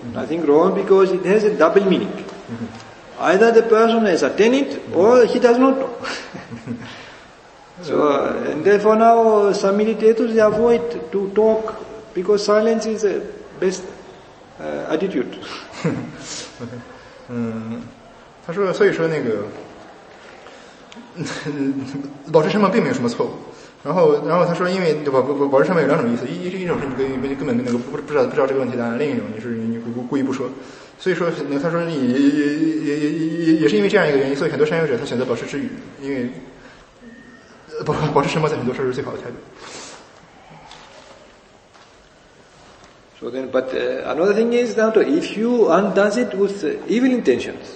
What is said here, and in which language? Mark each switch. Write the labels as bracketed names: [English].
[English] Nothing wrong because it has a double meaning. Either the person has attained it, or he does not know. So, and therefore now some meditators they avoid to talk because silence is the best attitude. [Chinese] 他说，所以说那个保持沉默并没有什么错误。然后他说，因为保持沉默有两种意思，一种是你根本那个不知道这个问题答案，另一种就是你故意不说。所以说，那他说也是因为这样一个原因，所以很多善友者他选择保持止语，因为保持沉默在很多事是最好的态度。 [English] So then, but another thing is that if you undo it with evil intentions,、